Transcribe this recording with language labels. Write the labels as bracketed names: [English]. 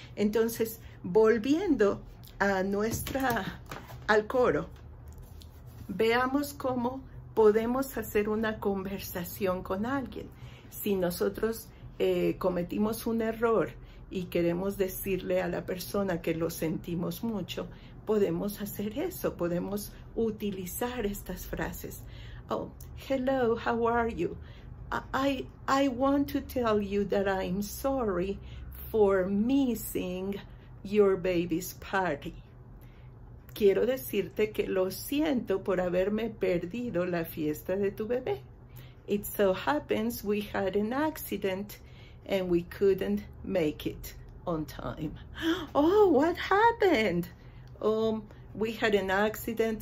[Spanish] Entonces, volviendo al coro, veamos cómo podemos hacer una conversación con alguien. Si nosotros cometimos un error y queremos decirle a la persona que lo sentimos mucho, podemos hacer eso, podemos utilizar estas frases. [English] Oh, hello, how are you? I want to tell you that I'm sorry for missing your baby's party. [Spanish] Quiero decirte que lo siento por haberme perdido la fiesta de tu bebé. [English] It so happens we had an accident and we couldn't make it on time. Oh, what happened? We had an accident.